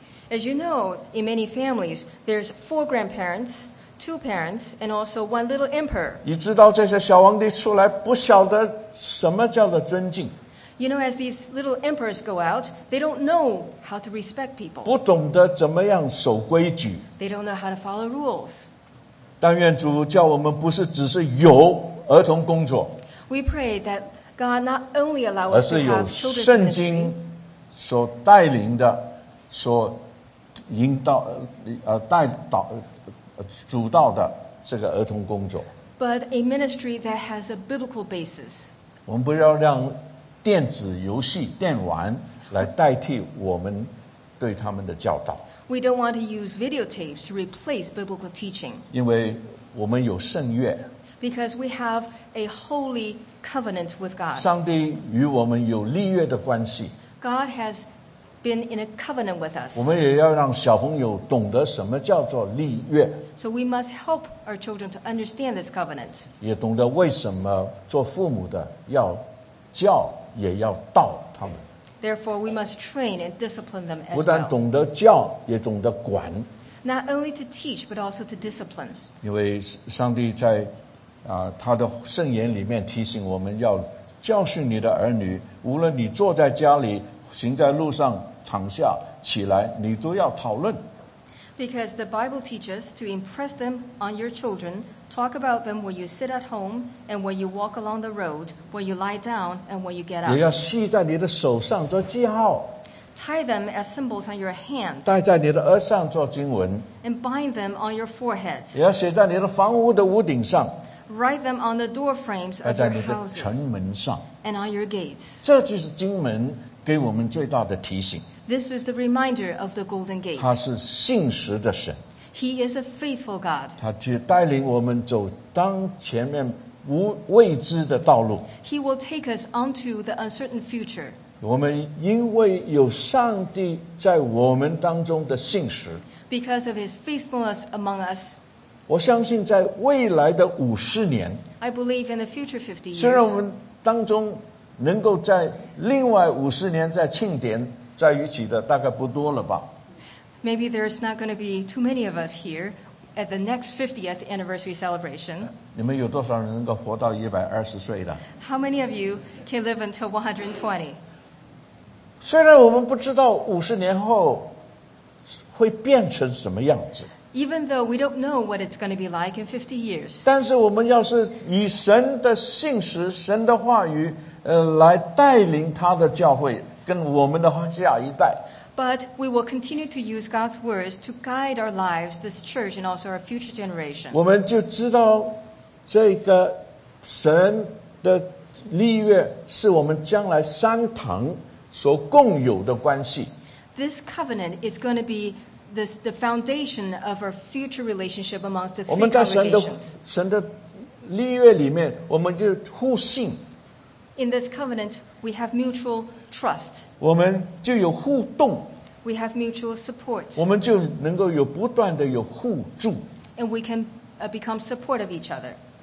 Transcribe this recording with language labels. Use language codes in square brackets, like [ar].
[en] As you know, in many families, there's four grandparents, two parents, and also one little emperor. [zh] 你知道这些小皇帝出来不晓得什么叫做尊敬。 [en] You know, as these little emperors go out, they don't know how to respect people. [zh] 不懂得怎么样守规矩。 [en] They don't know how to follow rules. [zh] 但愿主叫我们不是只是有儿童工作。 [en] We pray that God not only allow us to have children's ministry. [zh] 而是有圣经所带领的，所引导，带导，主导的这个儿童工作。 [en] But a ministry that has a biblical basis. [zh] 我们不要让电子游戏、电玩来代替我们对他们的教导。 [en] We don't want to use videotapes to replace biblical teaching. [zh] 因为我们有圣约。 [en] Because we have a holy covenant with God. [zh] 上帝与我们有立约的关系。 [en] God has been in a covenant with us. [zh] 我们也要让小朋友懂得什么叫做立约。 [en] So we must help our children to understand this covenant. [zh] 也懂得为什么做父母的要教也要道他们。 [en] Therefore, we must train and discipline them as well. [zh] 不但懂得教，也懂得管。 [en] Not only to teach, but also to discipline. [zh] 因为上帝在他的圣言里面提醒我们要教训你的儿女，无论你坐在家里、行在路上、躺下、起来，你都要讨论。 [en] Because the Bible teaches to impress them on your children. Talk about them when you sit at home and when you walk along the road, when you lie down and when you get up. [zh] 也要系在你的手上做记号。 [en] Tie them as symbols on your hands. [zh] 戴在你的额上做经文。 [en] And bind them on your forehead. [zh] 也要写在你的房屋的屋顶上。 [en] Write them on the door frames of your houses. [zh] 戴在你的城门上。 [en] And on your gates. [zh] 这就是经文给我们最大的提醒。 [en] This is the reminder of the Golden Gate. [zh] 他是信实的神。 [en] He is a faithful God. [zh] 他去带领我们走当前面无未知的道路。 [en] He will take us onto the uncertain future. [zh] 我们因为有上帝在我们当中的信实。 [en] Because of his faithfulness among us. [zh] 我相信在未来的五十年。 [en] I believe in the future 50 years. [zh] 虽然我们当中能够在另外五十年再庆典在一起的大概不多了吧。 [en] Maybe there's not going to be too many of us here at the next 50th anniversary celebration. [zh] 你们有多少人能够活到120岁的？ [en] How many of you can live until 120? [zh] 虽然我们不知道50年后会变成什么样子。 [en] Even though we don't know what it's going to be like in 50 years. [zh] 但是我们要是以神的信实、神的话语，来带领他的教会跟我们的下一代。 [en] But we will continue to use God's words to guide our lives, this church, and also our future generation. [zh] 我们就知道这个神的立约是我们将来三堂所共有的关系。 [en] This covenant is going to be the foundation of our future relationship amongst the three congregations. [zh] 我们在神的立约里面，我们就互信。 [en] In this covenant, we have mutual trust. [zh] 我们就有互动。 [en] We have mutual support. [zh] 我们就能够有不断的有互助。 [en] And we can become support of each other.